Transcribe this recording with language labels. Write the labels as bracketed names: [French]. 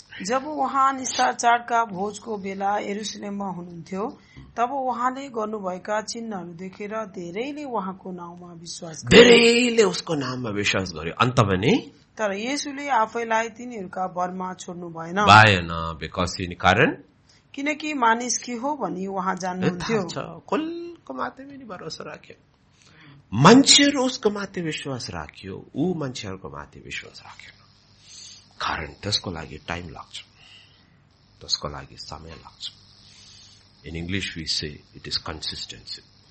[Nepali] जब वहाँ निस्तार चाड का भोज को बेला यरूशलेम मा हुनुहुन्थ्यो तब वहाँले गर्नुभएका चिन्हहरू देखेर धेरैले वहाँको नाउँमा विश्वास गरे धेरैले उसको नाममा विश्वास गरे अन्त पनि तर येशूले आफैलाई तिनीहरूका भरमा छोड्नु भएन भएन [English] because इन [Nepali] कारण किनकि मानिस के हो भनी वहाँ जान्नुहुन्थ्यो कुलको माथि नि भरोसा राख्यो मान्छेहरू उसको माथि विश्वास राख्यो ऊ मान्छेहरूको माथि विश्वास राख्यो कारण त्यसको लागि टाइम लाग्छ त्यसको लागि समय लाग्छ [English] in English we say it is consistency